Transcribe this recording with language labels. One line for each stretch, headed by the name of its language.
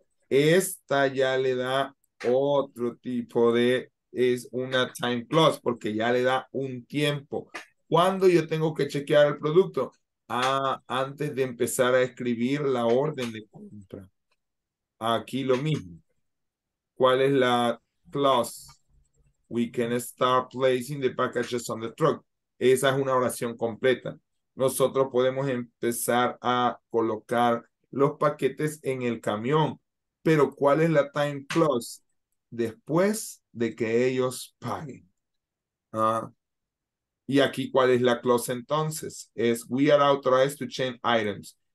Spanish: Esta ya le da otro tipo de... Es una time clause porque ya le da un tiempo. ¿Cuándo yo tengo que chequear el producto? Ah, antes de empezar a escribir la orden de compra. Aquí lo mismo. ¿Cuál es la clause?
English: We can start placing the packages on the truck.
Spanish: Esa es una oración completa. Nosotros podemos empezar a colocar los paquetes en el camión. Pero ¿cuál es la time clause? Después de que ellos paguen. Y aquí, ¿cuál es la clause entonces? Es
English: we are authorized to change items.